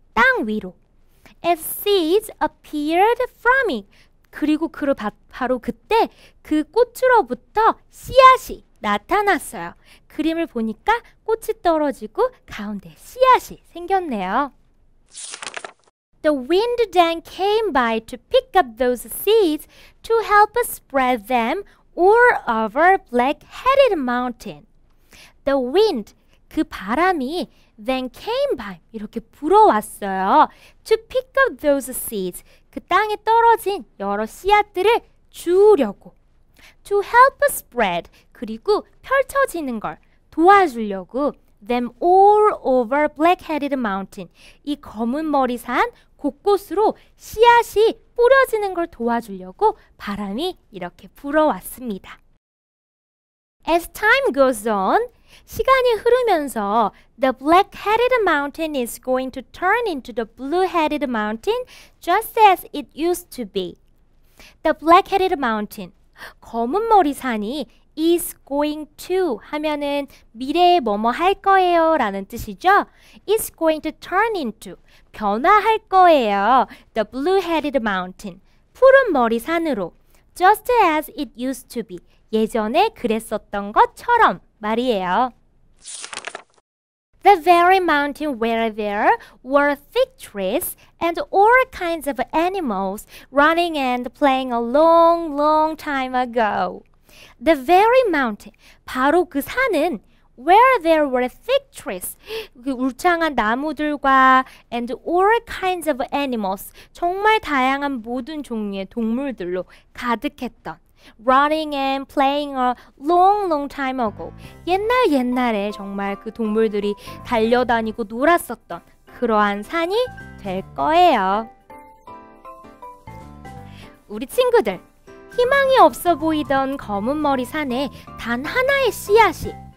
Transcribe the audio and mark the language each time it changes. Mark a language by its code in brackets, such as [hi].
[ko] 땅 위로. [en] As seeds appeared from it. [ko] 그리고 바로 그때 그 꽃으로부터 씨앗이 나타났어요. 그림을 보니까 꽃이 떨어지고 가운데 씨앗이 생겼네요. [en] The wind then came by to pick up those seeds to help spread them all over black-headed mountain. The wind, [ko] 그 바람이 [en] then came by [ko] 이렇게 불어왔어요. [en] To pick up those seeds, [ko] 그 땅에 떨어진 여러 씨앗들을 주우려고. [en] To help spread, [ko] 그리고 펼쳐지는 걸 도와주려고. [en] Them all over black-headed mountain, [ko] 이 검은 머리 산 곳곳으로 씨앗이 뿌려지는 걸 도와주려고 바람이 이렇게 불어왔습니다. [en] As time goes on, [ko] 시간이 흐르면서 [en] the black-headed mountain is going to turn into the blue-headed mountain just as it used to be. The black-headed mountain, [ko] 검은 머리 산이 [en] is going to [ko] 하면은 미래에 뭐뭐 할 거예요 라는 뜻이죠. [en] is going to turn into [ko] 변화할 거예요. [en] the blue-headed mountain [ko] 푸른 머리 산으로 [en] just as it used to be [ko] 예전에 그랬었던 것처럼 말이에요. [en] The very mountain where there were thick trees and all kinds of animals running and playing a long, long time ago. The very mountain, [ko] 바로 그 산은 [en] where there were thick trees, [ko] 그 울창한 나무들과 [en] and all kinds of animals, [ko] 정말 다양한 모든 종류의 동물들로 가득했던 [en] running and playing a long, long time ago. [ko] 옛날 옛날에 정말 그 동물들이 달려다니고 놀았었던 그러한 산이 될 거예요. 우리 친구들, 희망이 없어 보이던 검은 머리 산에 단 하나의 씨앗이,